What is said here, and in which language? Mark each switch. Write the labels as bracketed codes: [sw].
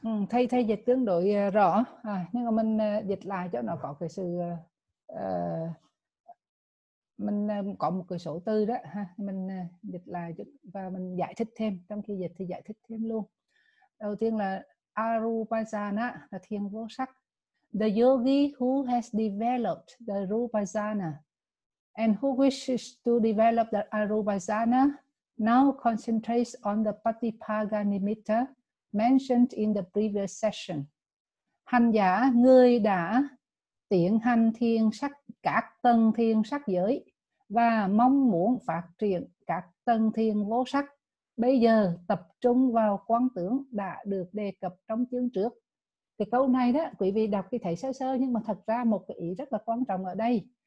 [vi] Thầy dịch tương đối rõ, nhưng mà mình dịch lại cho nó có cái sự mình có một cái số tư đó ha, mình dịch lại và mình giải thích thêm, trong khi dịch thì giải thích thêm luôn. Đầu tiên là Arupajana là thiền vô sắc. [en] The yogi who has developed the Rupajana and who wishes to develop the Arupajana now concentrates on the Patipaga Nimitta mentioned in the previous session. [vi] Hành giả, người đã tiện hành thiền sắc, các tầng thiền sắc giới và mong muốn phát triển các tầng thiền vô sắc, bây giờ tập trung vào quán tưởng đã được đề cập trong chương trước. Cái câu này đó, quý vị đọc thì thấy sơ sơ, nhưng mà thật ra một cái ý rất là quan trọng ở đây.